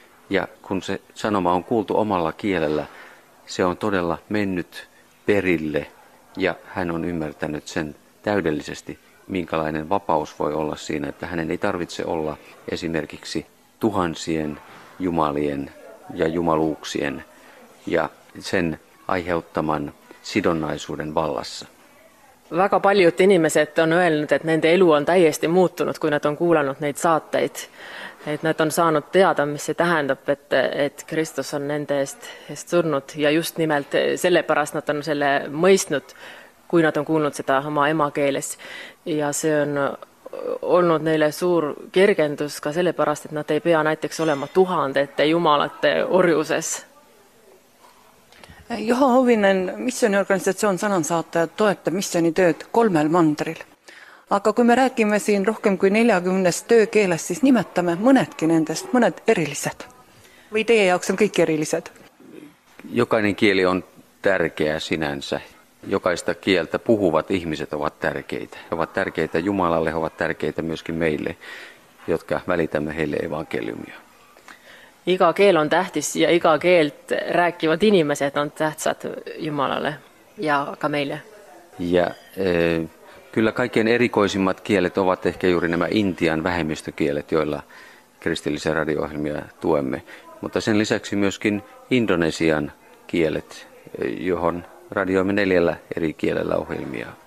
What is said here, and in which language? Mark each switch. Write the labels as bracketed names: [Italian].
[Finnish] Ja kun se sanoma on kuultu omalla kielellä, se on todella mennyt perille ja hän on ymmärtänyt sen täydellisesti, minkälainen vapaus voi olla siinä, että hänen ei tarvitse olla esimerkiksi tuhansien jumalien ja jumaluuksien ja sen aiheuttaman sidonnaisuuden vallassa. [Estonian] Väga paljud inimesed on öelnud, et nende elu on täiesti muutunut, kui nad on kuulanud neid saateid. Et nad on saanud teada, mis see tähendab, et Kristus on nende eest surnud. Ja just nimelt sellepärast nad on selle mõistnud, kui nad on kuulnud seda oma emakeeles. Ja see on olnud neile suur kergendus ka sellepärast, et nad ei pea näiteks olema tuhandete jumalate orjuses. [Finnish] Juha Ovinen, missiooniorganisatsioon Sanansaatajad toetab missiooni tööd kolmel mandril. [Estonian] Aga kui me räägime siin rohkem kui 40 töökeelest, siis nimetame mõnedki nendest, mõned erilised. Või teie jaoks on kõik erilised? [Finnish] Jokainen kieli on tärkeä sinänsä. Jokaista kieltä puhuvat ihmiset ovat tärkeitä. He ovat tärkeitä Jumalalle, he ovat tärkeitä myöskin meille, jotka välitämme heille evankeliumia. [Estonian] Iga keel on tähtis ja iga keelt rääkivad inimesed on tähtsad Jumalalle ja ka meille. [Finnish] Ja kyllä kaikkein erikoisimmat kielet ovat ehkä juuri nämä Intian vähemmistökielet, joilla kristillisiä radio-ohjelmia tuemme. Mutta sen lisäksi myöskin Indonesian kielet, johon radioimme 4 eri kielellä ohjelmia.